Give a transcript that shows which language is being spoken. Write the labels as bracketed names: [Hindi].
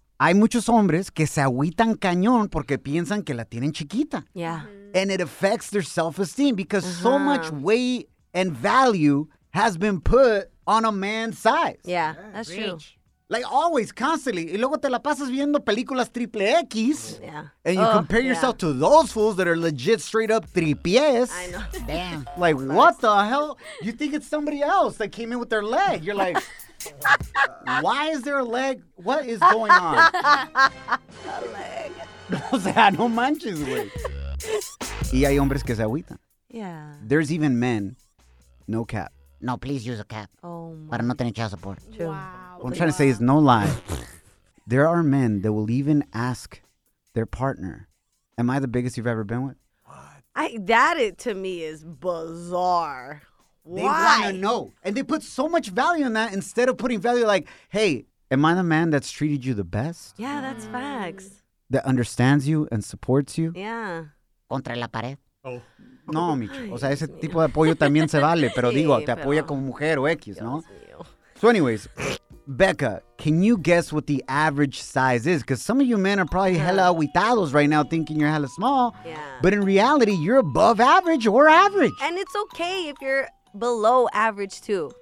[Spanish] Hay muchos hombres que se agüitan cañón porque piensan que la tienen chiquita. [English] Yeah. And it affects their self-esteem because so much weight and value has been put on a man's size. Yeah, that's true. Like always, constantly. [Spanish] Y luego te la pasas viendo películas triple X. [English] Yeah. And you compare yourself to those fools that are legit straight up tripies. I know. Damn. Like, what the hell? You think it's somebody else that came in with their leg. You're like, why is there a leg? What is going on? A leg. [Spanish] O sea, no manches, güey. Y hay hombres que se agüitan. [English] Yeah. There's even men. No cap. No, please use a cap. Oh, my. [Spanish] Para no tener child support. [English] True. Wow. What I'm trying to say is, no lie, there are men that will even ask their partner, am I the biggest you've ever been with? That to me is bizarre. Why? They want to know. And they put so much value in that instead of putting value like, hey, am I the man that's treated you the best? Yeah, that's facts. That understands you and supports you? Yeah. [Spanish] Contra la pared. [English] Oh. [Spanish] No, Micho. O sea, ese tipo de apoyo también se vale, pero sí, digo, te apoya como mujer o X, Dios ¿no? Mío. [English] So anyways... Becca, can you guess what the average size is? Because some of you men are probably hella aguitados right now thinking you're hella small. Yeah. But in reality, you're above average or average. And it's okay if you're below average too.